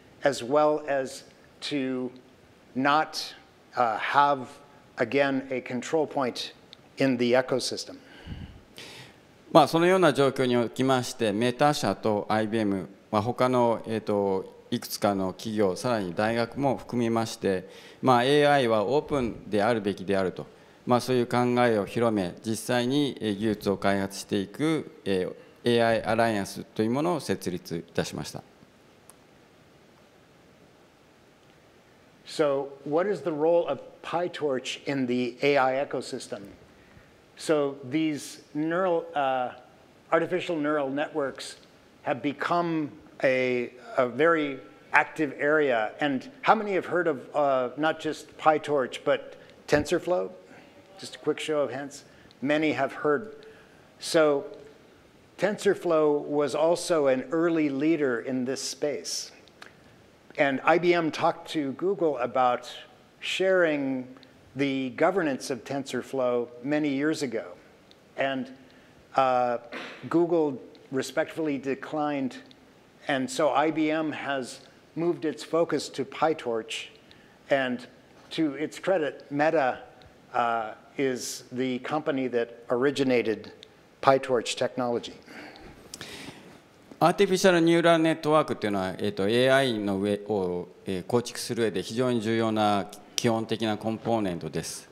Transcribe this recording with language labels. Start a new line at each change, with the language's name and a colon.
English: as well as to not have, again, a control point in the ecosystem.
Japanese: まあ、そのような状況におきまして、メタ社と IBM、まあ、他の、いくつかの企業、さらに大学も含みまして、まあ、AI はオープンであるべきであると、まあ、そういう考えを広め、実際に技術を開発していく AI アライアンスというものを設立いたしました。
English: So, what is the role of PyTorch in the AI ecosystem? So, these neural, artificial neural networks have become a very active area. And how many have heard of not just PyTorch, but TensorFlow? Just a quick show of hands. Many have heard. So, TensorFlow was also an early leader in this space. And IBM talked to Google about sharing the governance of TensorFlow many years ago. And Google respectfully declined. And so IBM has moved its focus to PyTorch. And to its credit, Meta is the company that originated PyTorch technology.
Japanese: アーティフィシャルニューラルネットワークというのは、AI の上を構築する上で非常に重要な基本的なコンポーネントです。